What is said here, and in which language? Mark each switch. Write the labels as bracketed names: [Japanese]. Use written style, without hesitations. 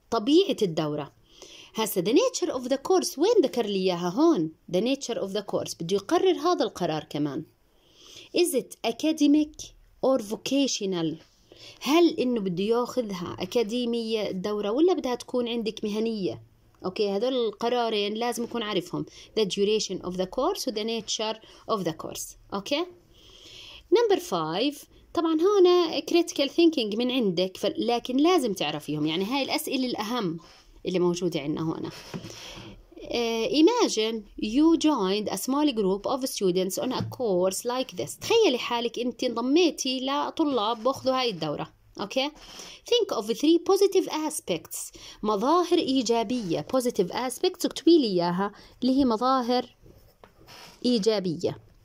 [Arabic] طبيعه الدوره. هسا [English] the nature of the course [Arabic] وين ذكر لي اياها هون. [English] The nature of the course [Arabic] بده يقرر هذا القرار كمان. [English] Is it academic or vocational؟ [Arabic] هل انه بده ياخذها أكاديمية الدورة ولا بدها تكون عندك مهنية؟ اوكي هذول القرارين لازم يكون عارفهم. [English] The duration of the course [Arabic] و [English] the nature of the course. [Arabic] اوكي [English] number 5 [Arabic] طبعا هون critical thinking من عندك لكن لازم تعرفيهم يعني هاي الأسئلة الأهم اللي موجودة عندنا هنا. [English] Imagine you joined a small group of students on a course like this. [Arabic] تخيلي حالك انت انضميتي لطلاب باخذوا هاي الدورة. [English] Okay? Think of three positive aspects. [Arabic] مظاهر إيجابية. [English] Positive aspects [Arabic] اكتبي لي إياها اللي هي مظاهر إيجابية.